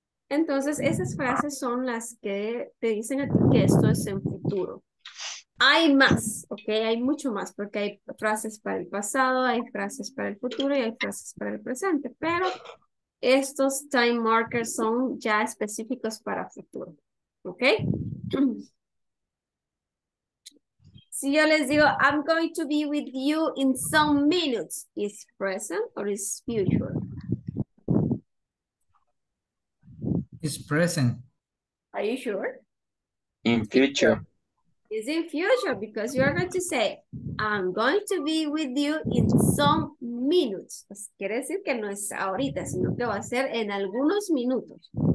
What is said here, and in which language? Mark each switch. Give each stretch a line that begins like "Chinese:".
Spanish: Entonces, esas frases son las que te dicen a ti que esto es en futuro. Hay más, ok, hay mucho más, porque hay frases para el pasado, hay frases para el futuro y hay frases para el presente, pero estos time markers son ya específicos para futuro, ok. Si yo les digo,
English: I'm going to be with you in some minutes, is present or is future? It's present. Are you sure? In future. It's in future because you are going to say, I'm going to be with you in some minutes.
Spanish: Pues quiere decir que no es ahorita, sino que va a ser en algunos minutos.